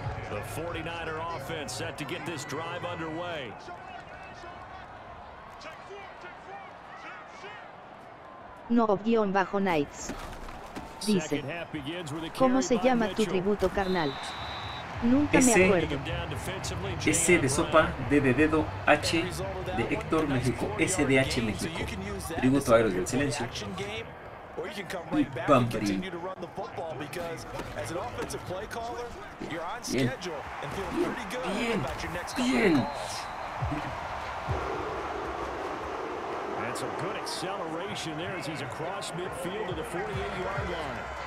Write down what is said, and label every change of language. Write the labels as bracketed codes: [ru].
[en] The 49er offense set to get this drive underway. [es] Noob-Knights dice, ¿cómo se llama tu tributo, carnal? Nunca ese, me acuerdo. S de sopa, D de dedo, H de Héctor México, S de H México. Tributo a Héroes del Silencio. [en] Or you can come right back and continue to run the football because as an offensive play caller, you're on schedule and feeling pretty good about your next couple of calls. That's a good acceleration there as he's across midfield to the 48-yard line.